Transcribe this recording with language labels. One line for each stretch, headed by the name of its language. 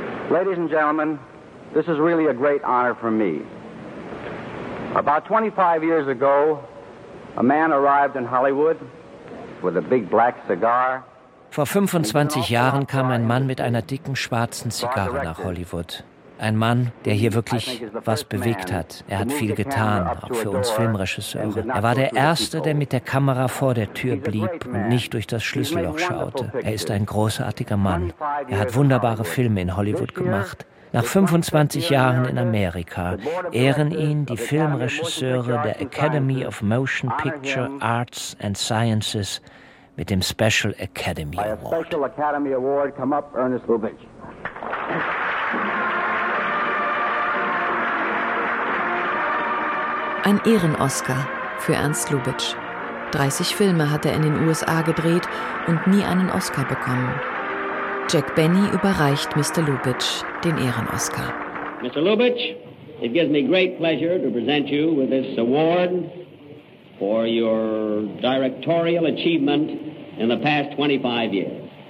English: Ladies and gentlemen, this is really a great honor for me. About 25 years ago, a man arrived in Hollywood with a big black cigar.
German: Vor 25 Jahren kam ein Mann mit einer dicken schwarzen Zigarre nach Hollywood. Ein Mann, der hier wirklich was bewegt hat. Er hat viel getan, auch für uns Filmregisseure. Er war der Erste, der mit der Kamera vor der Tür blieb und nicht durch das Schlüsselloch schaute. Er ist ein großartiger Mann. Er hat wunderbare Filme in Hollywood gemacht. Nach 25 Jahren in Amerika ehren ihn die Filmregisseure der Academy of Motion Picture Arts and Sciences mit dem Special Academy Award.
English: Come up, Ernest Lubitsch.
German: Ein Ehren-Oscar für Ernst Lubitsch. 30 Filme hat er in den USA gedreht und nie einen Oscar bekommen. Jack Benny überreicht Mr. Lubitsch den Ehren-Oscar.
English: Mr. Lubitsch, it gives me great pleasure to present you with this award for your directorial achievement in the past 25 years.